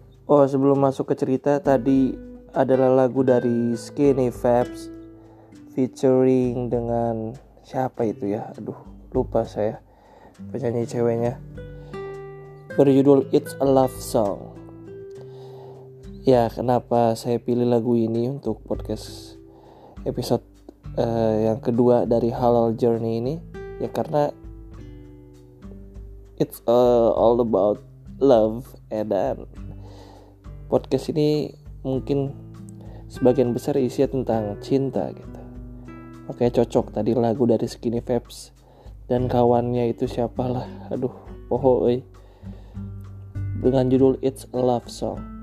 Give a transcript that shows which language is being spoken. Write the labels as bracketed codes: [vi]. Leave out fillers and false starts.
[id] Oh, sebelum masuk ke cerita, tadi adalah lagu dari Skinny Fabs featuring dengan siapa itu ya? Lupa saya penyanyi ceweknya. Berjudul It's a Love Song. Ya, kenapa saya pilih lagu ini untuk podcast episode yang kedua dari Halal Journey ini? Ya karena [en] it's all about love. [id] Dan podcast ini mungkin sebagian besar isinya tentang cinta gitu. Oke, cocok tadi lagu dari Skinny Vapes dan kawannya itu siapalah. Aduh, poho oi. Dengan judul It's a Love Song.